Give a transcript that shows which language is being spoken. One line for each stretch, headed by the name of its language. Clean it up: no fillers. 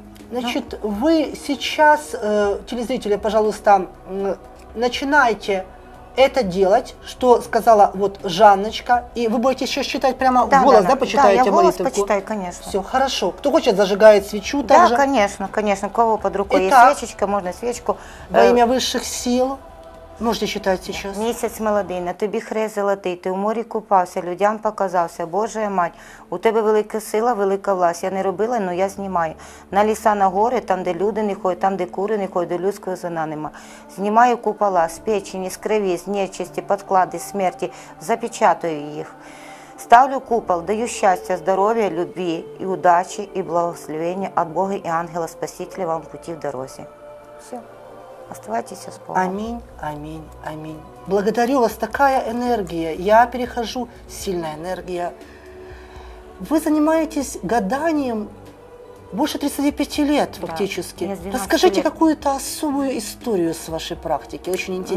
Russian: Значит, вы сейчас, телезрители, пожалуйста, начинайте это делать, что сказала вот Жанночка. И вы будете сейчас читать прямо в голос, да, почитаете молитву? Да, я в голос почитаю, конечно. Все, хорошо. Кто хочет, зажигает свечу также. Да, конечно, конечно. У кого под рукой есть свечечка, можно свечку. Во имя высших сил. Можете читать сейчас.
Ukrainian: Місяць молодий, на тобі хрест золотий, ти в морі купався, людям показався, Божа мать, у тебе велика сила, велика власть, я не робила, но я знімаю. На ліса, на гори, там, де люди не ходять, там, де кури не ходять, до людського зона нема. Знімаю купола з печені, з криві, з нечисті, підклади, смерті, запечатую їх. Ставлю купол, даю щастя, здоров'я, любві і удачі, і благословення від Бога і ангела Спасителя вам пути в дорозі.
Russian: Все. Оставайтесь с Богом. Аминь, аминь, аминь. Благодарю вас, такая энергия. Я перехожу, сильная энергия. Вы занимаетесь гаданием больше 35 лет фактически. Да, расскажите лет. Какую-то особую историю с вашей практики, очень интересно.